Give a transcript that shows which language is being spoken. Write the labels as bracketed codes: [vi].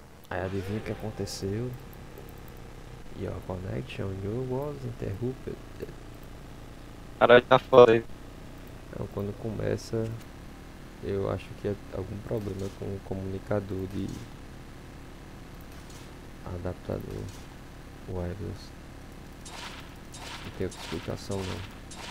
[pt] Aí adivinha o que aconteceu? [en] Your connection, you was interrupted. [pt] Caralho, tá foda aí. Então, quando começa, eu acho que é algum problema com o comunicador de adaptador wireless. Não tem explicação não.